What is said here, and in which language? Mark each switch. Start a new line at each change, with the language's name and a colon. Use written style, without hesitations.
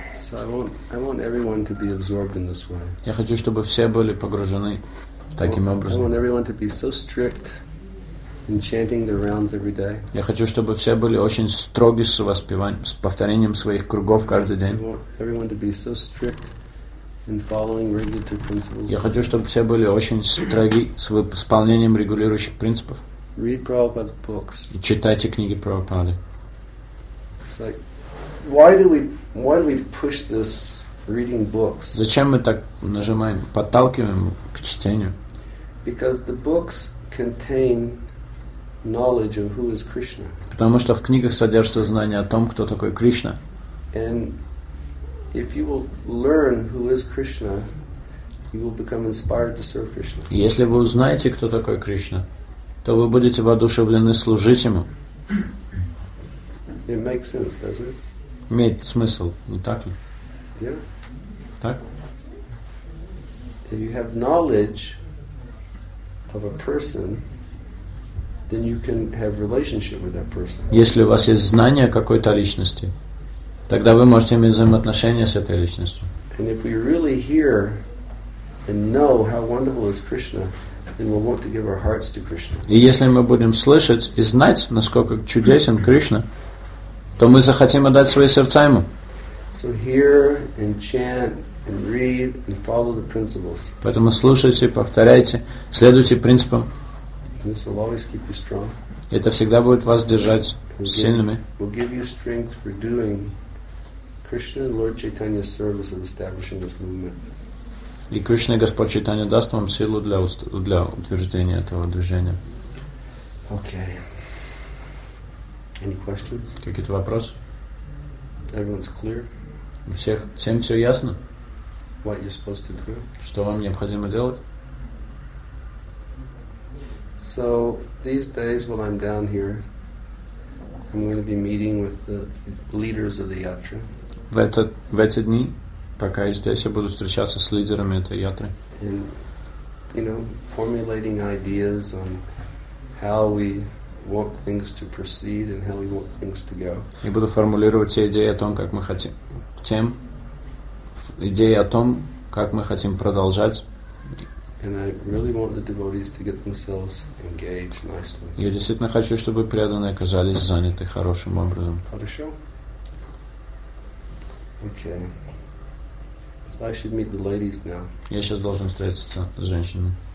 English: So I want everyone to be absorbed in this way.
Russian: Я хочу, чтобы все были погружены таким образом.
English: I want everyone to be so strict in chanting their rounds every day.
Russian: Я хочу, чтобы все были очень строги с воспеванием, с повторением своих кругов каждый день.
English: I want everyone to be so strict in following regulative principles.
Russian: Я хочу, чтобы все были очень строги с исполнением регулирующих принципов.
English: Read Prabhupada's books.
Russian: И читайте книги Прабхупады.
English: It's like, why do we push this reading books?
Russian: Зачем мы так нажимаем, подталкиваем к чтению?
English: Because the books contain knowledge of who is Krishna.
Russian: Потому что в книгах содержится знание о том, кто такой Кришна.
English: And if you will learn who is Krishna, you will become inspired to serve Krishna.
Russian: Если вы узнаете, кто такой Кришна, то вы будете воодушевлены служить ему.
English: It makes sense, doesn't it?
Russian: Имеет смысл, не так ли?
English: Yeah.
Russian: Так?
English: If you have knowledge of a person, then you can have relationship with that person.
Russian: Если у вас есть знание какой-то личности, тогда вы можете иметь взаимоотношения с этой личностью.
English: And if we really hear and know how wonderful is Krishna, then we'll want to give our hearts to Krishna.
Russian: И если мы будем слышать и знать, насколько чудесен Кришна, то мы захотим отдать свои сердца ему.
English: So hear and chant and read and follow the principles.
Russian: Поэтому слушайте, повторяйте, следуйте принципам.
English: This will always keep you strong.
Russian: Это всегда будет вас держать сильными.
English: Will give you strength for doing Krishna and Lord Chaitanya's service of establishing this movement.
Russian: И Кришна и Господь Чайтанья даст вам силу для утверждения этого движения.
English: Okay. Any questions?
Russian: Какие-то вопросы?
English: Everyone's clear?
Russian: Всем все ясно?
English: What you're supposed to do?
Russian: Что вам необходимо делать?
English: So these days, while I'm down here, I'm going to be meeting with the leaders of the yatra.
Russian: В эти дни, пока я здесь, я буду встречаться с лидерами этой ятры.
English: And, you know, formulating ideas on how we want things to proceed and how we want things to go.
Russian: И буду формулировать те идеи о том, как мы хотим, тем идеи о том, как мы хотим продолжать. And I really want the devotees to get themselves engaged nicely. Я действительно хочу, чтобы преданные оказались заняты хорошим образом. Хорошо.
English: Okay. So I should meet the ladies now.
Russian: Я сейчас должен встретиться с женщинами.